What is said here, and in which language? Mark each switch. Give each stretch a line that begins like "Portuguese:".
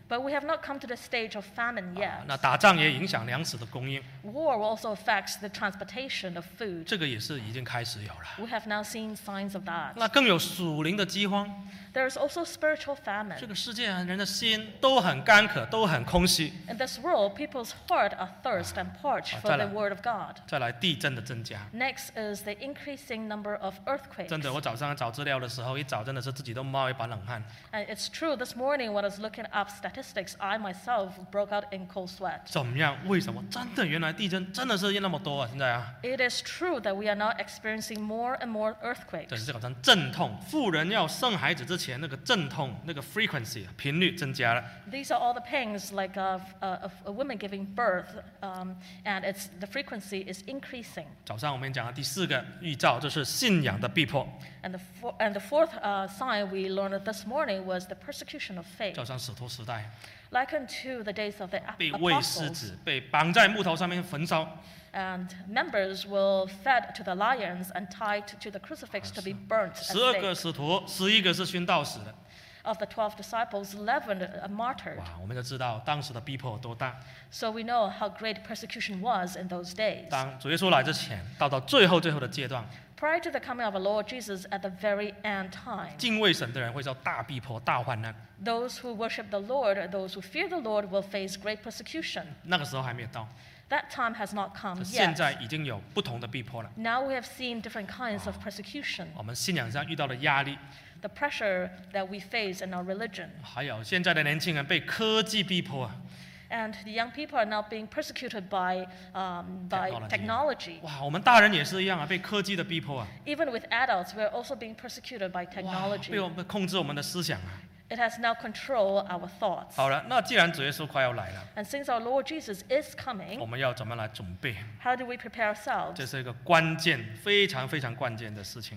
English: But we have not come to the stage of famine yet.
Chinese: 那打仗也影响粮食的供应。
English: War also affects the transportation of food.
Chinese: 这个也是已经开始有了。
English: We have now seen signs of that.
Chinese: 那更有属灵的饥荒。
English: There is also spiritual famine.
Chinese: 这个世界啊，人的心都很干渴，都很空虚。
English: In this world, people's hearts are thirst and parched for the word of God.
Chinese: 再来地震的增加。
English: Next is the increasing number of earthquakes.
Chinese: 真的，我早上找资料的时候，一找真的是自己都冒一把冷汗。
English: And it's true. This morning, when I was looking up statistics, I myself broke out in cold sweat.
Chinese: 怎么样？为什么？真的，原来地震真的是那么多啊！现在啊。
English: It is true that we are now experiencing more and more earthquakes.
Chinese: 这是好像阵痛，富人要生孩子。之前那个阵痛，那个 frequency 频率增加了。
English: These are all the pains like of a woman giving birth, and it's the frequency is increasing.
Chinese: 早上我们讲的第四个预兆就是信仰的逼迫。
English: And the fourth sign we learned this morning was the persecution of faith.
Chinese: 早上使徒时代。
English: Likened to the days of the apostles.
Chinese: 被喂狮子，被绑在木头上面焚烧。
English: And members were fed to the lions and tied to the crucifix to be burnt.
Chinese: 12个使徒，11个是殉道死的。
English: Of the 12 disciples, 11 are martyred.
Chinese: 哇，我们就知道当时的逼迫多大。
English: So we know how great persecution was in those days.
Chinese: 当主耶稣来之前，到最后的阶段。
English: Prior to the coming of our Lord Jesus at the very end time,
Chinese: 敬畏神的人会遭大逼迫、大患难。
English: Those who worship the Lord, those who fear the Lord, will face great persecution.
Chinese: 那个时候还没有到。
English: That time has not come yet.
Chinese: 现在已经有不同的逼迫了。
English: Now we have seen different kinds of persecution.
Chinese: 我们信仰上遇到的压力。
English: The pressure that we face in our religion.
Chinese: 还有现在的年轻人被科技逼迫。
English: And the young people are now being persecuted by technology.
Chinese: 哇，我们大人也是一样啊，被科技的逼迫啊。
English: Even with adults, we are also being persecuted by technology.
Chinese: 哇，被我们控制我们的思想啊。
English: It has now controlled our thoughts.
Chinese: 好了，那既然主耶稣快要来了，
English: And since our Lord Jesus is coming,
Chinese: 我们要怎么来准备？
English: How do we prepare ourselves?
Chinese: 这是一个关键，非常非常关键的事情。